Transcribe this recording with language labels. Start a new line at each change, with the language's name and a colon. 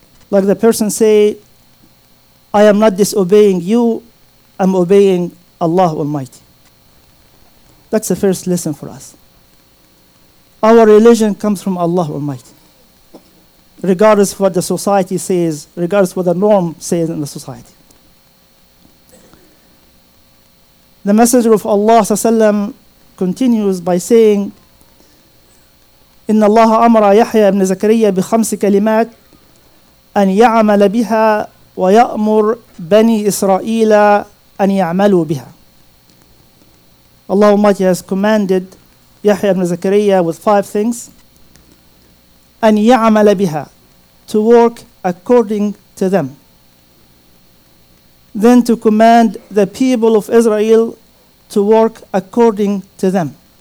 English: Like the person say, I am not disobeying you, I'm obeying Allah Almighty. That's the first lesson for us. Our religion comes from Allah Almighty. Regardless of what the society says, regardless of what the norm says in the society. The Messenger of Allah continues by saying,
Arabic: إِنَّ اللَّهَ أَمَرَ يَحْيَى بْنِ زَكَرِيَّ بِخَمْسِ كَلِمَاتِ أن يعمل بها ويأمر بني إسرائيل أن يعملوا بها.
English: Allah Almighty has commanded Yahya ibn Zakariya with five things.
Arabic: أن يعمل بها,
English: to work according to them. Then to command the people of Israel to work according to them.